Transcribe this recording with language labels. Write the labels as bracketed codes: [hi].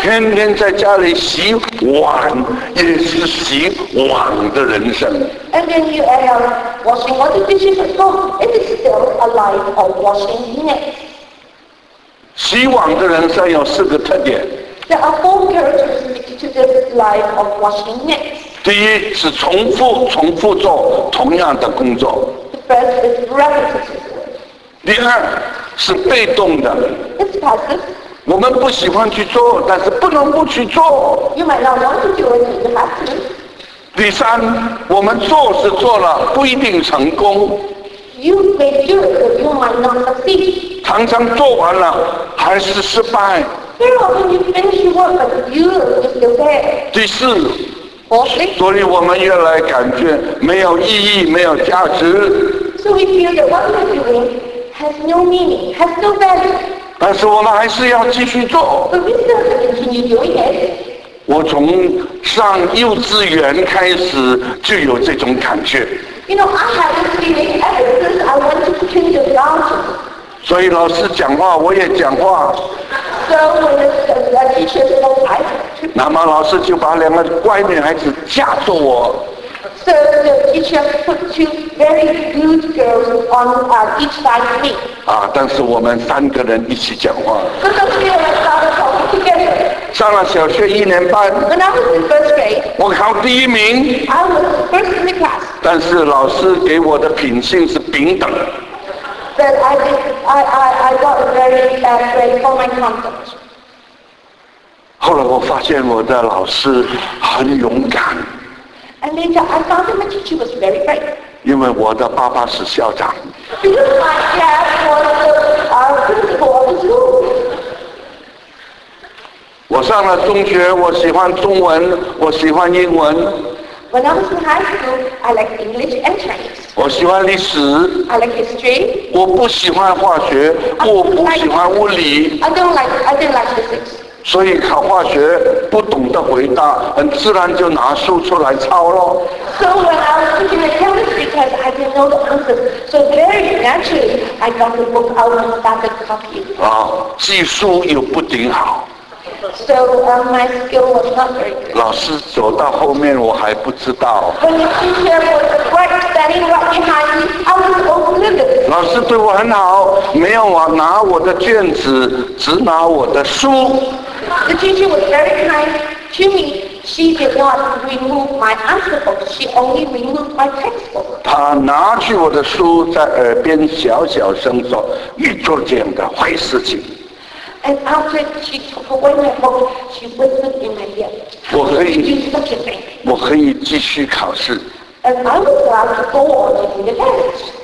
[zh] 天天在家里洗碗，也是洗碗的人生。 [en] And then you are washing all the dishes at home. It is still a life of washing nets. [zh] 洗碗的人生有四个特点。 [en] There are four characteristics to this life of washing nets. [zh] 第一是重复，重复做同样的工作。 [en] The first is repetition. [zh] 第二是被动的。 [en] It's passive. [zh] 我们不喜欢去做，但是不能不去做。 [en] You might not want to do it, you have to. [zh] 第三，我们做是做了，不一定成功。 [en] You may do it, but you might not succeed. [zh] 常常做完了还是失败。 [en] Very often you finish your work, but you still there. [zh] 第四。 [en] Fourthly. [zh] 所以我们越来感觉没有意义，没有价值。 [en] So we feel that what we're doing. Has no meaning, has no value. [zh] 但是我们还是要继续做。 [en] But we still have to continue doing it. [zh] 我从上幼稚园开始就有这种感觉。 [en] You know, I have this feeling ever since I went to kindergarten. [zh] 所以老师讲话，我也讲话。 [en] So when the teacher spoke, I too. [zh] 那么老师就把两个乖女孩子架住我。 [en] So the teacher put two very good girls on each side of me. [zh] 啊，但是我们三个人一起讲话。 [en] But the three of us started talking together. [zh] 上了小学一年半。 [en] When I was in first grade. [zh] 我考第一名。 [en] I was first in the class. [zh] 但是老师给我的品性是平等。 [en] But I got a very bad grade for my conduct. [zh] 后来我发现我的老师很勇敢。 [en] And later, I found that my teacher was very brave. [zh] 因为我的爸爸是校长。 [en] Because my dad was the principal of the school. [zh] 我上了中学，我喜欢中文，我喜欢英文。 [en] When I was in high school, I liked English and Chinese. [zh] 我喜欢历史。 [en] I like history. [zh] 我不喜欢化学，我不喜欢物理。 [en] I didn't like physics. [zh] 所以考化学不懂得回答，很自然就拿书出来抄了。 [en] So when I was taking the chemistry test, I didn't know the answers. So very naturally, I got the book out and started copying. [zh] 啊，记书又不顶好。 [en] So my skill was not very good. [zh] 老师走到后面我还不知道。 [en] When the teacher was right standing right behind me, I was oblivious. [zh] 老师对我很好，没有我拿我的卷子，只拿我的书。 [en] The teacher was very kind to me. She did not remove my answer book. She only removed my textbook. [zh] 她拿起我的书，在耳边小小声说：“你做这样的坏事情。” [en] And after she took away my book, she whispered in my ear, "How did you do such a thing?" [zh] 我可以继续考试。 [en] And I was allowed to go on taking the test.